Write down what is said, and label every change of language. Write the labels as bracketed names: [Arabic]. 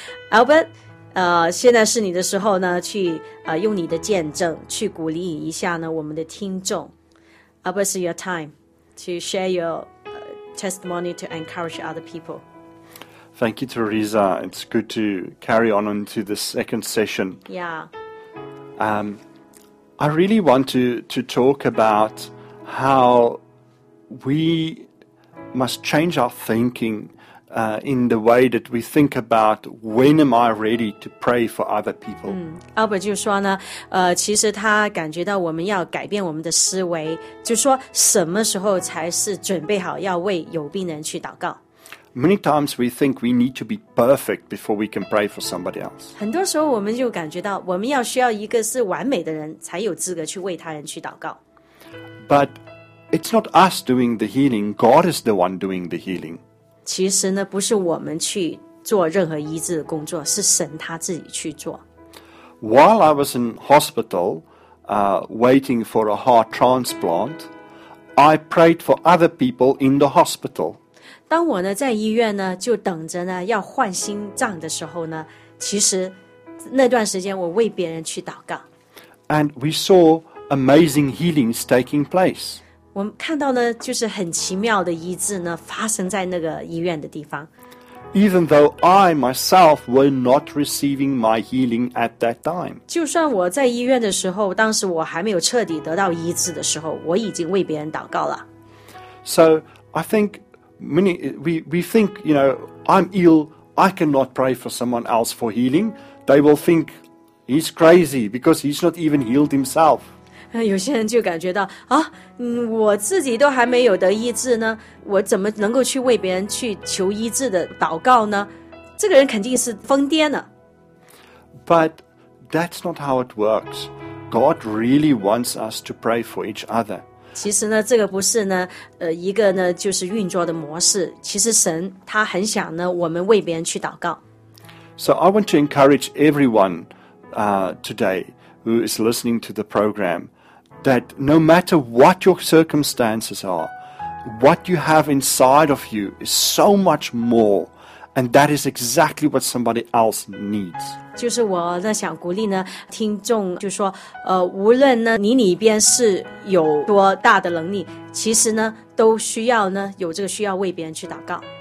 [Chinese] Albert、现在是你的时候呢，去、用你的见证去鼓励一下呢我们的听众。 [English] Albert, it's your timeTo share your、testimony to encourage other people. Thank you, Teresa. It's good to carry on into the second session. Yeah.、 I really want to talk about how we must change our thinking、in the way that we think about when am I ready to pray for other people.、 [Chinese] 嗯、Albert 就说呢、其实他感觉到我们要改变我们的思维，就说什么时候才是准备好要为有病人去祷告。 [English] Many times we think we need to be perfect before we can pray for somebody else. [Chinese] 很多时候我们就感觉到我们要需要一个是完美的人才有资格去为他人去祷告。 [English] But it's not us doing the healing, God is the one doing the healing. [Chinese] 其实呢，不是我们去做任何医治的工作，是神他自己去做。 [English] While I was in hospital, waiting for a heart transplant, I prayed for other people in the hospital. [Chinese] 当我呢在医院呢就等着呢要换心脏的时候呢，其实那段时间我为别人去祷告。 [English] And we saw amazing healings taking place. [Chinese] 我们看到呢，就是很奇妙的医治呢，发生在那个医院的地方。 [English] Even though I myself were not receiving my healing at that time. [Chinese] 就算我在医院的时候，当时我还没有彻底得到医治的时候，我已经为别人祷告了。 [English] So I think many, we think, you know, I'm ill, I cannot pray for someone else for healing. They will think he's crazy because he's not even healed himself. [Chinese] 有些人就感觉到啊、我自己都还没有得医治呢，我怎么能够去为别人去求医治的祷告呢？这个人肯定是疯癫了。 [English] But that's not how it works. God really wants us to pray for each other. [Chinese] 其实呢，这个不是呢，一个呢就是运作的模式。其实神他很想呢，我们为别人去祷告。 [English] So I want to encourage everyone, today. Who is listening to the program, that no matter what your circumstances are, what you have inside of you is so much more, and that is exactly what somebody else needs. [Chinese] 就是我呢想鼓励呢听众就说无论呢你里边是有多大的能力，其实呢都需要呢有这个需要为别人去祷告。